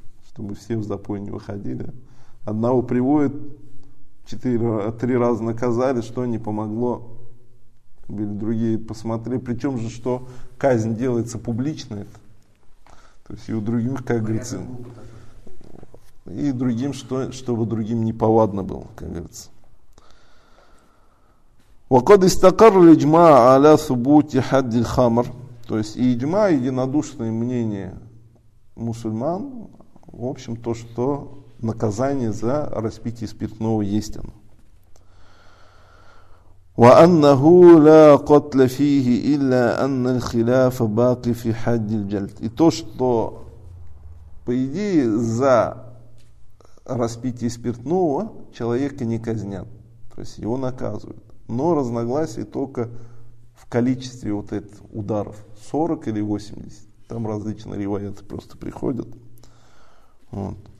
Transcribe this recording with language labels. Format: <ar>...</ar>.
<ru>Чтобы все в запой не выходили. Одного приводит, 4-3 раза наказали, что не помогло. Или другие посмотрели. Причем же, что казнь делается публично. Это. То есть и у других, как говорится. И другим, что, чтобы другим неповадно было, как говорится.</ru> <ar>وقد استقر الاجماع على ثبوت حد الخمر.</ar> <ru>То есть иджма, единодушное мнение мусульман, в общем, то, что наказание за распитие спиртного есть оно.</ru> <ar>وانه لا قتل فيه الا ان الخلاف باق في حد الجلد.</ar> <ru>И то, что по идее за распитие спиртного человека не казнят, то есть его наказывают. Но разногласие только в количестве вот этих ударов. 40 или 80. Там различные риваяты просто приходят. Вот.</ru>